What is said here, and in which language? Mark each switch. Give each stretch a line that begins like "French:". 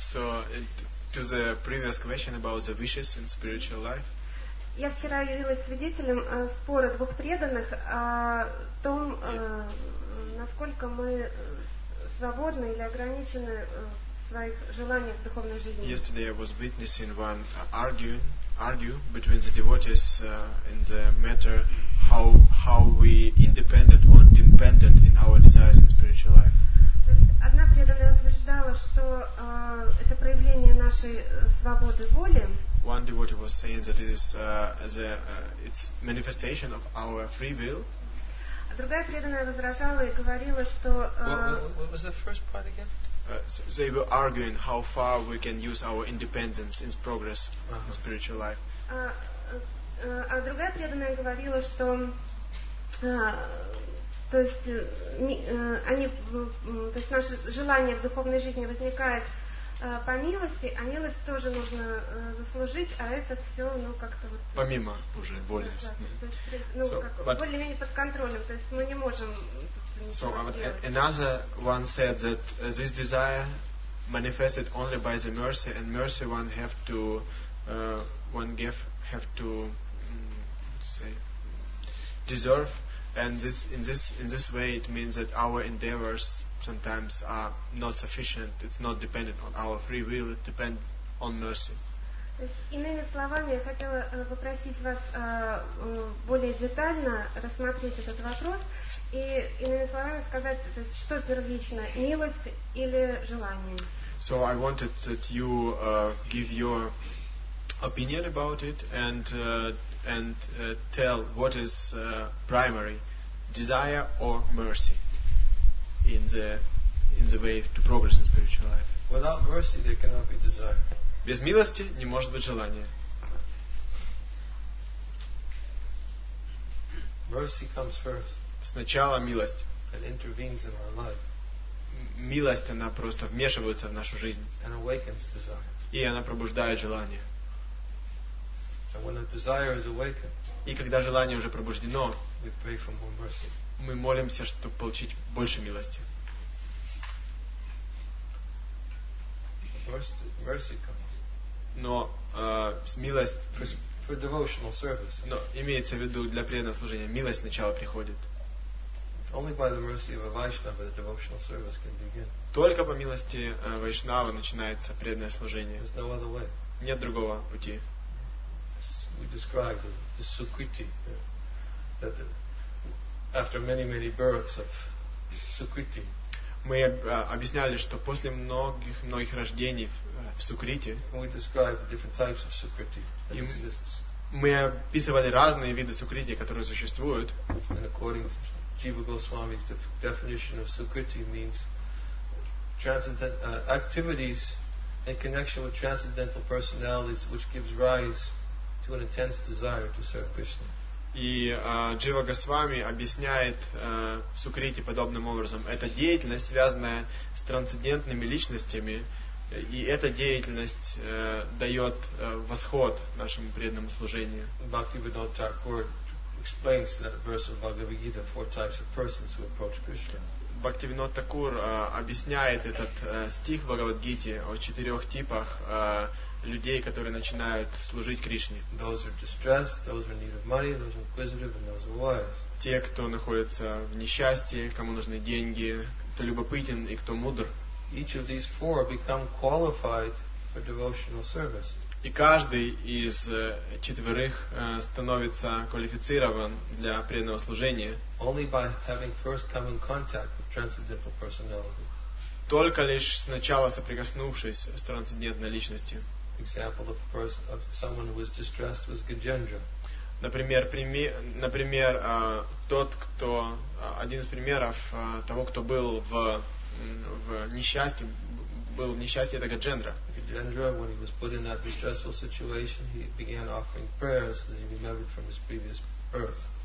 English: So, to the previous question about the wishes in spiritual life.
Russian: Я вчера явилась свидетелем спора двух преданных о том, насколько мы свободны или ограничены в своих желаниях в духовной жизни.
English: Yesterday I was witnessing one argue between the devotees in the matter how we independent or dependent in our desires in spiritual life.
Russian: Одна преданная утверждала, что это проявление нашей свободы воли.
English: One devotee was saying that it is it's manifestation of our free will.
Russian: А другая преданная возражала и говорила, что
English: What was the first part again? So they were arguing how far we can use our independence in progress uh-huh. in spiritual life.
Russian: А другая преданная говорила, что то есть они, то есть наше желание в духовной жизни возникает по милости, а милость тоже нужно заслужить, а это все, ну как-то вот помимо уже воли, да, ну so, как более-менее под контролем, то есть мы не можем.
English: So another one said that this desire manifested only by the mercy, and mercy one have to one give have to say deserve. And in this way, it means that our endeavors sometimes are not sufficient. It's not dependent on our free will. It depends on mercy.
Russian: Иными словами, я хотела попросить вас более детально рассмотреть этот вопрос и иными словами сказать, то есть что первично, милость или желание?
English: So I wanted that you give your opinion about it and tell what is primary. desire or mercy in the way to progress in spiritual life. Without mercy, there cannot be desire.
Russian: Без милости не может быть желания.
English: Mercy comes first.
Russian: Сначала милость.
English: And intervenes in our life.
Russian: Милость, она просто вмешивается в нашу жизнь.
English: And awakens desire.
Russian: И она пробуждает желание.
English: And when the desire is awakened,
Russian: и когда желание уже пробуждено,
English: we pray for more mercy.
Russian: Мы молимся, чтобы получить больше милости.
English: Mercy comes.
Russian: Но милость
English: for devotional service.
Russian: Но имеется в виду для преданного служения. Милость сначала приходит.
English: Only by the mercy of a Vaishnava the devotional service can begin.
Russian: Только по милости Вайшнавы начинается преданное служение.
English: There's no other way.
Russian: Нет другого пути.
English: We describe the Sukriti that after many births of Sukriti.
Russian: Мы объясняли, что после многих рождений в Сукрите,
English: we describe the different types of Sukriti that exist.
Russian: Мы описывали разные виды Сукрити, которые существуют.
English: And according to Jiva Goswami's definition of Sukriti means transcendent activities in connection with transcendental personalities which gives rise to an intense desire to serve Krishna.
Russian: И Джива Госвами объясняет Сукрити подобным образом. Это деятельность, связанная с трансцендентными личностями, и эта деятельность дает восход нашему преданному служению.
English: Bhaktivedanta Thakur explains that verse of Bhagavad Gita, four types of persons who approach Krishna.
Russian: Bhaktivinoda Thakur объясняет этот стих в Бхагавад Гите о четырех типах людей, которые начинают служить Кришне.
English: Those are distressed, those are in need of money, those are inquisitive, and those are wise.
Russian: Те, кто находится в несчастье, кому нужны деньги, кто любопытен и кто мудр.
English: Each of these four become qualified for devotional service.
Russian: И каждый из четверых становится квалифицирован для преданного служения.
English: Only by having first come in contact with transcendental personality.
Russian: Только лишь сначала соприкоснувшись с трансцендентной личностью.
English: Example of a person of someone who was distressed was Gajendra.
Russian: Например, тот, кто один из примеров того, кто был в несчастье, был в несчастье, это Gajendra.
English: Gajendra, when he was put in that distressful situation, he began offering prayers that he remembered from his previous birth.